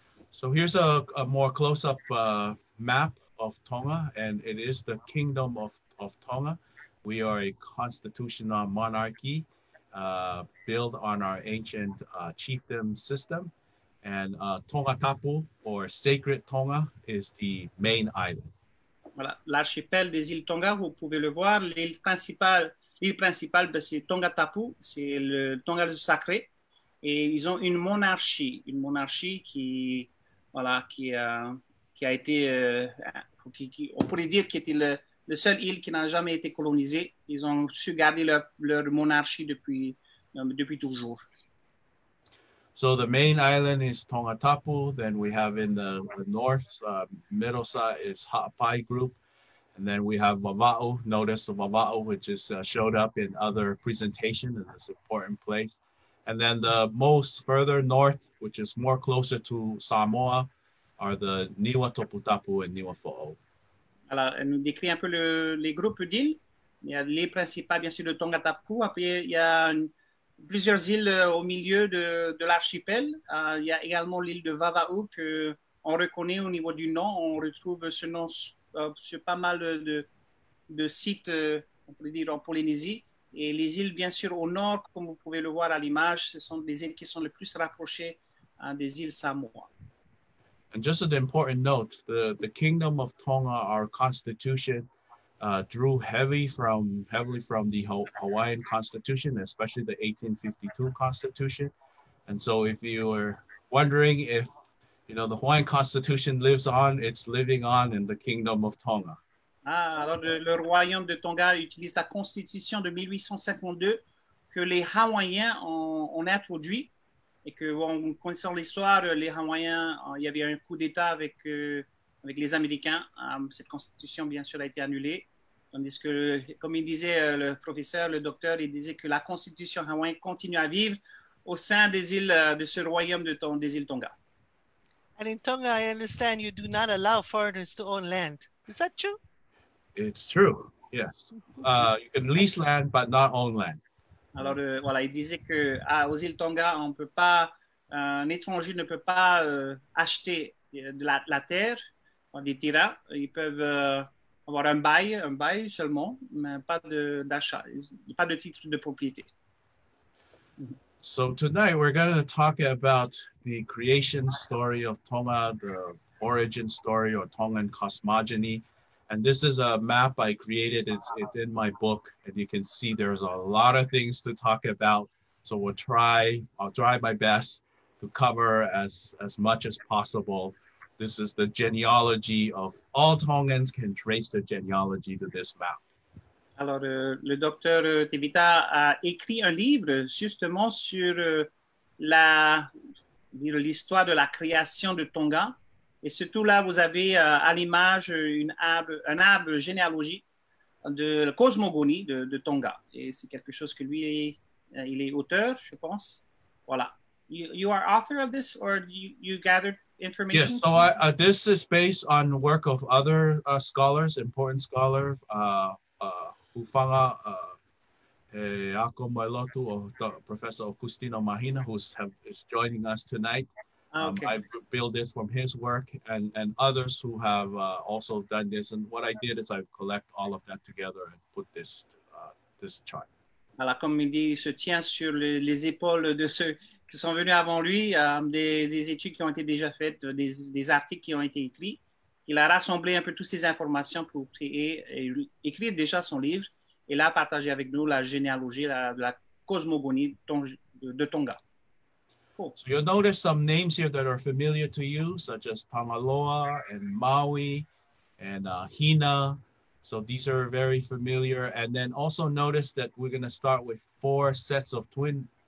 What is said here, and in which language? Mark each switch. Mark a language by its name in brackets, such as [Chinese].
[English] So here's a more close-up map of Tonga, and it is the kingdom of Tonga. We are a constitutional monarchy built on our ancient chiefdom system, and Tonga Tapu, or sacred Tonga, is the main island. [French] Voilà, l'archipel des îles Tonga, vous pouvez le voir, l'île principale, c'est Tonga Tapu, c'est le Tonga le sacré, et ils ont une monarchie qui, voilà, qui a été, on pourrait dire qui était le seul île qui n'a jamais été colonisée. Ils ont su garder leur monarchie depuis toujours. [English] So the main island is Tonga Tapu. Then we have in the north, middle side is Ha'apai group. And then we have Wava'u. Notice the Wava'u, which is showed up in other presentation in this important place. And then the most further north, which is more closer to Samoa, are the Niwa Topu Tapu and Niwa Fo'o. [French] Alors, elle nous décrit un peu les groupes d'îles. Il y a l'île principale, bien sûr, de Tonga Tapu. Après, il y a plusieurs îles au milieu de l'archipel. Il y a également l'île de Wava'u qu'on reconnaît au niveau du nom. On retrouve ce nom sur pas mal de sites, on pourrait dire, en Polynésie. Et les îles, bien sûr, au nord, comme vous pouvez le voir à l'image, ce sont des îles qui sont les plus rapprochées des îles Samoa. [English] And just an important note, the Kingdom of Tonga, our constitution, drew heavily from the Hawaiian constitution, especially the 1852 constitution. And so if you were wondering if, you know, the Hawaiian constitution lives on, it's living on in the Kingdom of Tonga. [French] Ah, alors le royaume de Tonga utilise la constitution de 1852 que les Hawaïens ont introduit. Et que, bon, connaissant l'histoire, les Hawaïens, il y avait un coup d'État avec les Américains. Cette constitution, bien sûr, a été annulée. Tandis que, comme il disait le professeur, le docteur, il disait que la constitution hawaïenne continue à vivre au sein des îles, de ce royaume des îles Tonga. [English] And in Tonga, I understand you do not allow foreigners to own land. Is that true? It's true, yes. You can lease land, but not own land. [French] Alors, voilà, il disait que aux îles Tonga, on peut pas, un étranger ne peut pas acheter de la terre, des terrains. Ils peuvent avoir un bail seulement, mais pas d'achat, pas de titre de propriété. [English] So tonight, we're going to talk about the creation story of Tonga, the origin story or Tongan cosmogony. And this is a map I created. It's in my book, and you can see there's a lot of things to talk about. So I'll try my best to cover as much as possible. This is the genealogy of all Tongans can trace the genealogy to this map. [French] Alors, le docteur Tevita a écrit un livre justement sur l'histoire de la création de Tonga. Et surtout là, vous avez à l'image un arbre généalogique de la cosmogonie de Tonga. Et c'est quelque chose que lui, il est auteur, je pense. Voilà. [English] You are author of this, or you gathered information? Yes, so this is based on the work of other scholars, important scholars, Hufanga Eako Mailotu, Professor Augustino Mahina, who is joining us tonight. Okay. I build this from his work and others who have also done this. And what I did is I collect all of that together and put this this chart. [French] Alors, comme il dit, il se tient sur les épaules de ceux qui sont venus avant lui, des études qui ont été déjà faites, des articles qui ont été écrits. Il a rassemblé un peu toutes ces informations pour créer et écrire déjà son livre et là partager avec nous la généalogie, la cosmogonie de Tonga. [English] Cool. So you'll notice some names here that are familiar to you, such as Tangaloa and Māui and Hina. So these are very familiar. And then also notice that we're going to start with four sets of twin.